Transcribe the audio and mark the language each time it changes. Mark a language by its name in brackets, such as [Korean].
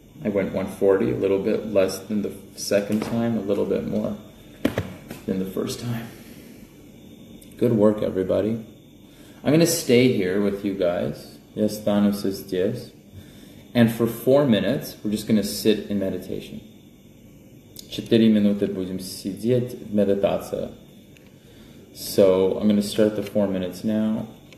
[English] I went 140, a little bit less than the second time, a little bit more than the first time. Good work, everybody. I'm going to stay here with you guys. Yes, Thanos is Dios. And for 4 minutes, we're just going to sit in meditation. [Russian] 4 минуты будем сидеть в медитации. [English] So I'm going to start the 4 minutes now.